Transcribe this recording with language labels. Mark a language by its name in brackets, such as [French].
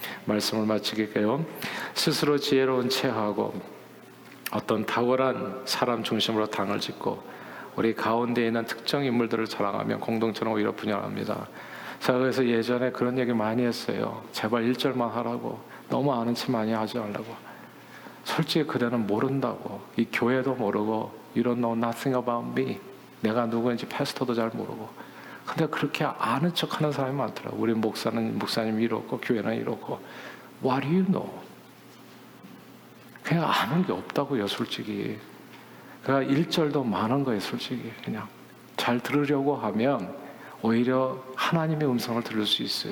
[Korean] 말씀을 마치겠고요. 스스로 지혜로운 체하고 어떤 탁월한 사람 중심으로 당을 짓고 우리 가운데 있는 특정 인물들을 자랑하면 공동체는 오히려 분열합니다. 제가 그래서 예전에 그런 얘기 많이 했어요. 제발 1절만 하라고. 너무 아는 체 많이 하지 않으라고. 솔직히 그대는 모른다고. 이 교회도 모르고 [English] You don't know nothing about me. [Korean] 내가 누구인지 패스터도 잘 모르고. 근데 그렇게 아는 척 하는 사람이 많더라고. 우리 목사는 목사님이 이렇고 교회는 이렇고. [English] What do you know? [Korean] 그냥 아는 게 없다고요 솔직히. 그러니까 1절도 많은 거예요 솔직히. 그냥 잘 들으려고 하면 오히려 하나님의 음성을 들을 수 있어요.